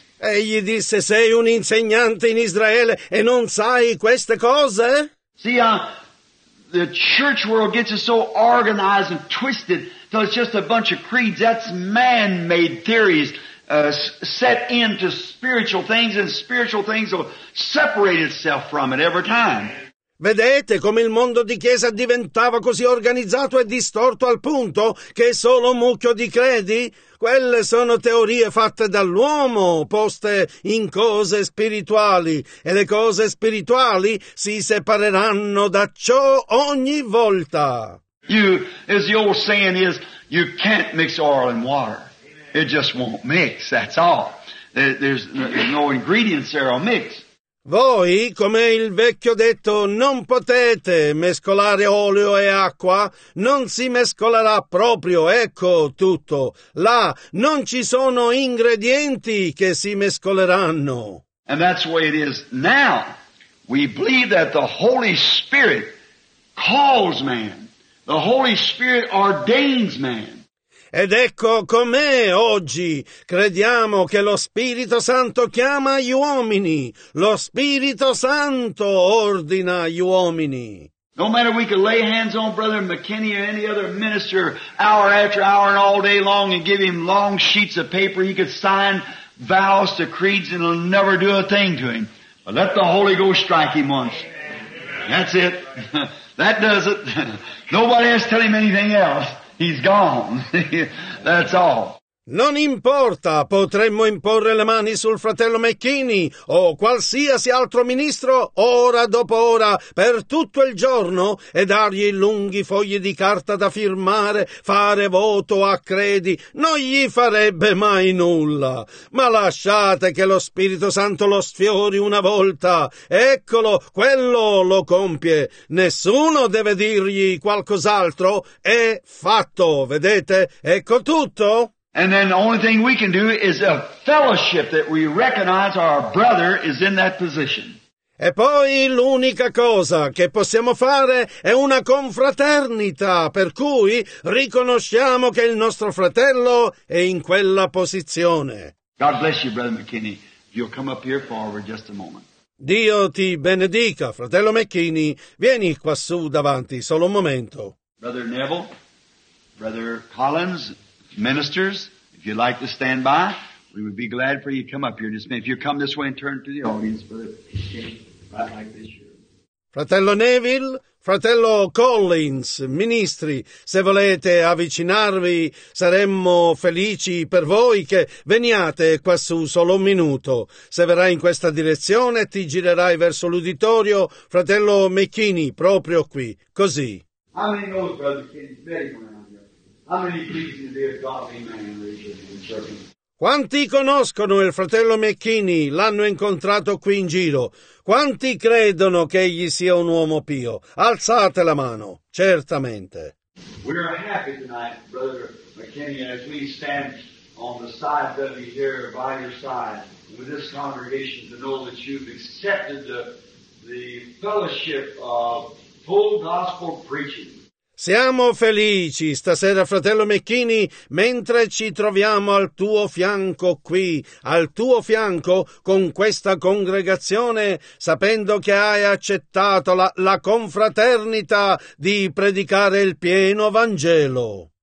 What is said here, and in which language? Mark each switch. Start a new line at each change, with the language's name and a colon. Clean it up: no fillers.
Italian: Egli disse, sei un insegnante in Israele e non sai queste cose?
English: See, the church world gets us so organized and twisted till it's just a bunch of creeds. That's man-made theories. Set into spiritual things, and spiritual things will separate itself from it every time.
Italian: Vedete come il mondo di chiesa diventava così organizzato e distorto al punto che è solo un mucchio di credi? Quelle sono teorie fatte dall'uomo, poste in cose spirituali, e le cose spirituali si separeranno da ciò ogni volta.
English: You, as the old saying is, you can't mix oil and water. It just won't mix, that's all. There's no ingredients there will mix.
Italian: Voi, come il vecchio detto, non potete mescolare olio e acqua. Non si mescolerà proprio, ecco tutto. Là non ci sono ingredienti che si mescoleranno.
English: And that's the way it is now. We believe that the Holy Spirit calls man. The Holy Spirit ordains man.
Italian: Ed ecco com'è oggi. Crediamo che lo Spirito Santo chiama gli uomini. Lo Spirito Santo ordina gli uomini.
English: No matter we could lay hands on Brother McKinney or any other minister hour after hour and all day long and give him long sheets of paper, he could sign vows to creeds and it'll never do a thing to him. But let the Holy Ghost strike him once. That's it. That does it. Nobody has to tell him anything else. He's gone. That's all.
Italian: Non importa, potremmo imporre le mani sul fratello McKinney o qualsiasi altro ministro ora dopo ora per tutto il giorno e dargli lunghi fogli di carta da firmare, fare voto a credi, non gli farebbe mai nulla. Ma lasciate che lo Spirito Santo lo sfiori una volta. Eccolo, quello lo compie. Nessuno deve dirgli qualcos'altro. È fatto, vedete? Ecco tutto.
English: And then the only thing we can do is a fellowship that we recognize our brother is in that position.
Italian: E poi l'unica cosa che possiamo fare è una confraternita, per cui riconosciamo che il nostro fratello è in quella posizione.
English: God bless you, Brother McKinney. You'll come up here forward just a moment.
Italian: Dio ti benedica, fratello McKinney. Vieni quassù davanti, solo un momento.
English: Brother Neville, Brother Collins, ministers, if you'd like to stand by, we would be glad for you to come up here. Just if you come this way and turn to the audience, brother, right like this.
Italian: Fratello Neville, fratello Collins, ministri, se volete avvicinarvi, saremmo felici per voi che veniate quassù solo un minuto. Se verrai in questa direzione, ti girerai verso l'uditorio, fratello McKinney, proprio qui, così.
English: How many knows, brother McKinney? How many pleasing to be a godly man in the church?
Italian: Quanti conoscono il fratello McKinney? L'hanno incontrato qui in giro. Quanti credono che egli sia un uomo pio? Alzate la mano, certamente.
English: We are happy tonight, Brother McKinney, as we stand on the side of you here by your side with this congregation to know that you've accepted the fellowship of full gospel preaching.
Italian: Siamo felici stasera, fratello McKinney, mentre ci troviamo al tuo fianco qui, al tuo fianco con questa congregazione, sapendo che hai accettato la confraternita di predicare il pieno Vangelo.